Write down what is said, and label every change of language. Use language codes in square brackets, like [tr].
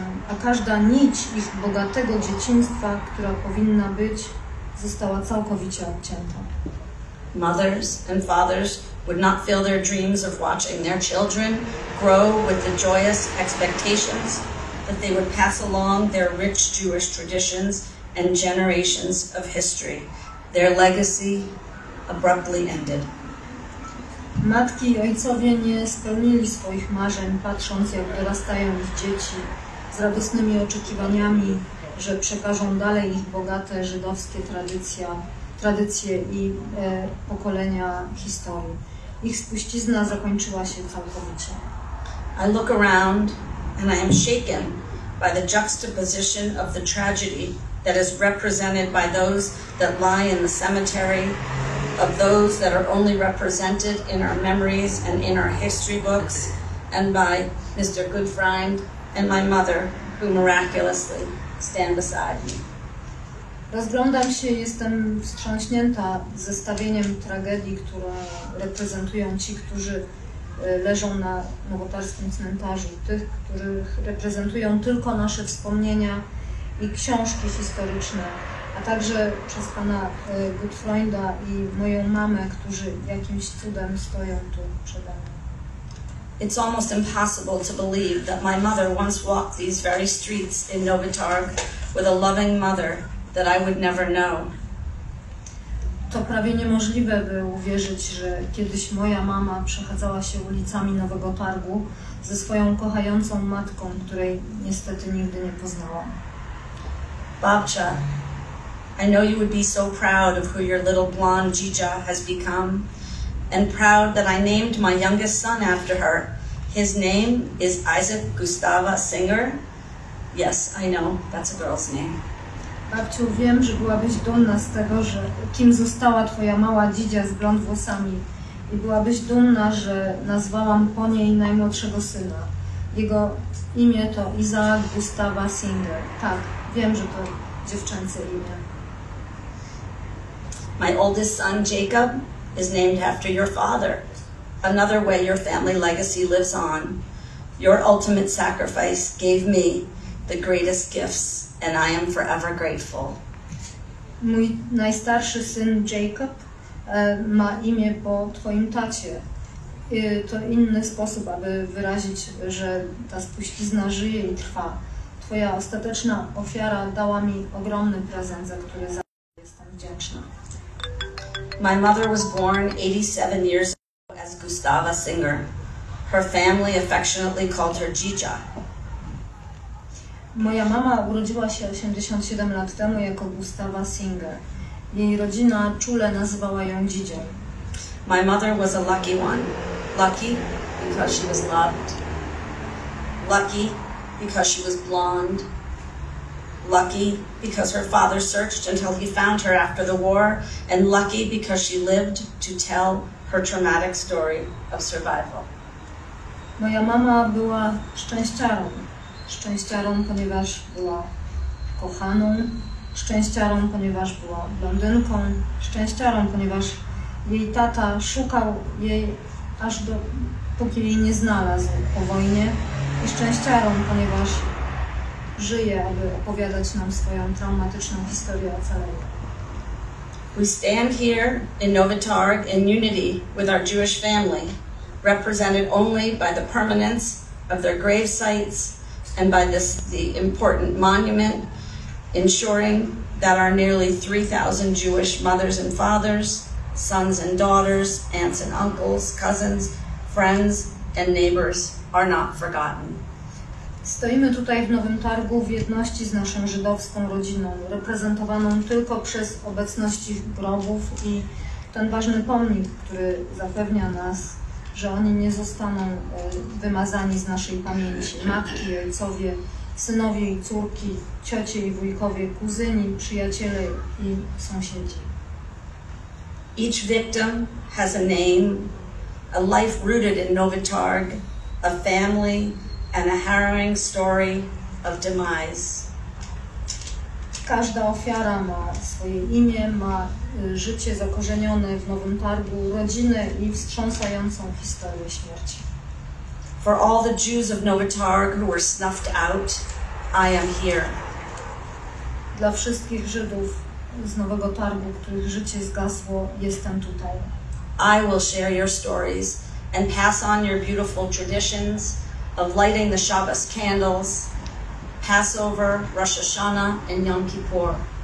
[pl] A każda nić ich bogatego dzieciństwa, która powinna być, została całkowicie obcięta. [en] Mothers and fathers would not fill their dreams of watching their children grow with the joyous expectations that they would pass along their rich Jewish traditions and generations of history. Their legacy abruptly ended. [pl] Matki i ojcowie nie spełnili swoich marzeń, patrząc, jak dorastają ich dzieci, z radosnymi oczekiwaniami, że przekażą dalej ich bogate żydowskie tradycje i pokolenia historii. Ich spuścizna zakończyła się całkowicie. [en] I look around and I am shaken by the juxtaposition of the tragedy that is represented by those that lie in the cemetery, of those that are only represented in our memories and in our history books, and by Mr. Goodfriend and my mother, who miraculously stand beside me. [pl] Rozglądam się, jestem wstrząśnięta zestawieniem tragedii, które reprezentują ci, którzy leżą na nowotarskim cmentarzu, tych, których reprezentują tylko nasze wspomnienia i książki historyczne, a także przez pana Goodfreunda i moją mamę, którzy jakimś cudem stoją tu przede mną. [en] It's almost impossible to believe that my mother once walked these very streets in Nowotarg with a loving mother that I would never know. [pl] To prawie niemożliwe, by uwierzyć, że kiedyś moja mama przechadzała się ulicami Nowego Targu ze swoją kochającą matką, której niestety nigdy nie poznałam. [en] Babcia, I know you would be so proud of who your little blonde Jija has become, and proud that I named my youngest son after her. His name is Isaac Gustava Singer. Yes, I know, that's a girl's name. [pl] Babciu, wiem, że byłabyś dumna z tego, że kim została twoja mała Jija z blond włosami. I byłabyś dumna, że nazwałam po niej najmłodszego syna. Jego imię to Isaac Gustava Singer. Tak, wiem, że to dziewczęce imię. [en] My oldest son, Jacob, is named after your father. Another way your family legacy lives on. Your ultimate sacrifice gave me the greatest gifts, and I am forever grateful. [pl] Mój najstarszy syn, Jacob, ma imię po twoim tacie. To inny sposób, aby wyrazić, że ta spuścizna żyje i trwa. Twoja ostateczna ofiara dała mi ogromny prezent, za który zawsze jestem wdzięczna. [en] My mother was born 87 years ago as Gustava Singer. Her family affectionately called her Jija. [pl] Moja mama urodziła się 87 lat temu jako Gustava Singer. Jej rodzina czule nazywała ją Jijią. [en] My mother was a lucky one. Lucky because she was loved. Lucky because she was blonde. Lucky because her father searched until he found her after the war, and lucky because she lived to tell her traumatic story of survival. [pl] Moja mama była szczęściarą. Szczęściarą, ponieważ była kochaną. Szczęściarą, ponieważ była blondynką. Szczęściarą, ponieważ jej tata szukał jej aż do, póki jej nie znalazł po wojnie. I szczęściarą, ponieważ żyje, aby opowiadać nam swoją traumatyczną historię ocalenia. [en] We stand here in Nowotarg in unity with our Jewish family, represented only by the permanence of their grave sites and by the important monument, ensuring that our nearly 3,000 Jewish mothers and fathers, sons and daughters, aunts and uncles, cousins, friends and neighbors are not forgotten. [pl] Stoimy tutaj w Nowym Targu w jedności z naszą żydowską rodziną, reprezentowaną tylko przez obecność ich grobów i ten ważny pomnik, który zapewnia nas, że oni nie zostaną wymazani z naszej pamięci. Matki i ojcowie, synowie i córki, ciocie i wujkowie, kuzyni, przyjaciele i sąsiedzi. [en] Each victim has a name, a life rooted in Nowy Targ, a family, and a harrowing story of demise. [pl] Każda ofiara ma swoje imię, ma życie zakorzenione w Nowym Targu, rodzinę i wstrząsającą historię śmierci. [en] For all the Jews of Nowy Targ who were snuffed out, I am here. [pl] Dla wszystkich Żydów z Nowego Targu, których życie zgasło, jestem tutaj. [en] I will share your stories and pass on your beautiful traditions of lighting the Shabbos candles, Passover, Rosh Hashanah, and Yom Kippur.